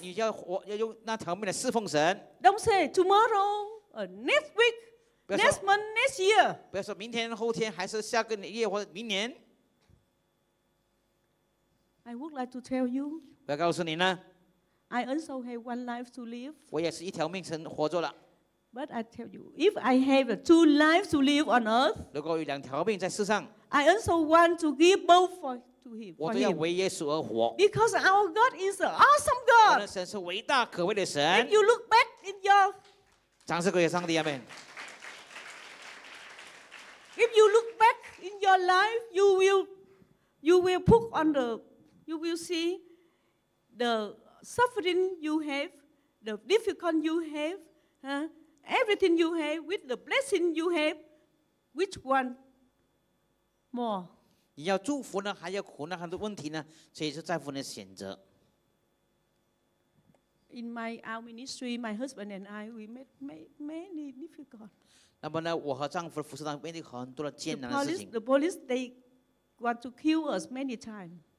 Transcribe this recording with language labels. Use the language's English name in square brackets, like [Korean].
[Chinese] 你要活要用那条命来侍奉神。 [English] Don't say tomorrow, next week, next month, next year. [Chinese] 不要说明天、后天，还是下个月或者明年。 [English] I would like to tell you. [Chinese] 我要告诉你呢。 [English] I also have one life to live. [Chinese] 我也是一条命生活着了。 [English] But I tell you, if I have two lives to live on earth, [Chinese] 如果有两条命在世上 [English] I also want to give both to him. [Chinese] 我都要为耶稣而活。 [English] Because our God is an awesome God. [Chinese] 我的神是伟大可畏的神。 [English] If you look back in your [Chinese] 掌声归给上帝，阿门。 [English] If you look back in your life, you will put on the, you will see the. Suffering you have, the difficulty you have, everything you have with the blessing you have, which one more? [Chinese] 你要祝福呢，还要苦难，很多问题呢，所以是在乎你的选择。 [English] In my our ministry, my husband and I, we met many difficult. [Chinese] 那么呢，我和丈夫服侍上面对很多的艰难的事情。 [English] The police, they want to kill us many times.